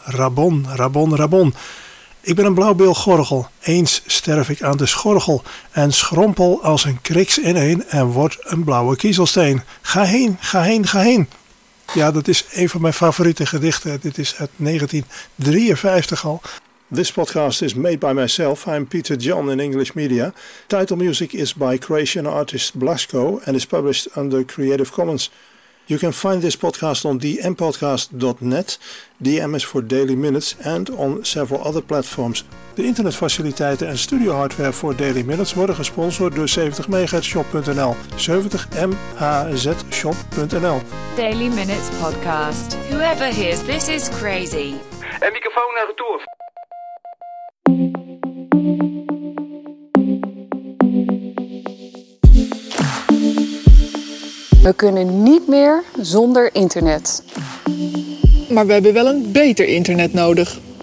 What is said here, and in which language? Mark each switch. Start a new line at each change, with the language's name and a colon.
Dutch: Rabon, rabon, rabon. Ik ben een blauwbilgorgel. Eens sterf ik aan de schorgel. En schrompel als een kriks ineen en word een blauwe kiezelsteen. Ga heen, ga heen, ga heen. Ja, dat is een van mijn favoriete gedichten. Dit is uit 1953 al.
English: This podcast is made by myself. I'm Peter John in English Media. Title music is by Croatian artist Blasco and is published under Creative Commons. You can find this podcast on dmpodcast.net, DM is for Daily Minutes, and on several other platforms.
Dutch: De internetfaciliteiten en studio hardware voor Daily Minutes worden gesponsord door 70MHzShop.nl. 70MHzShop.nl. Daily Minutes Podcast.
English: Whoever hears this is crazy.
Dutch: En microfoon naar retour. We kunnen niet meer zonder internet. Maar we hebben wel een beter internet nodig.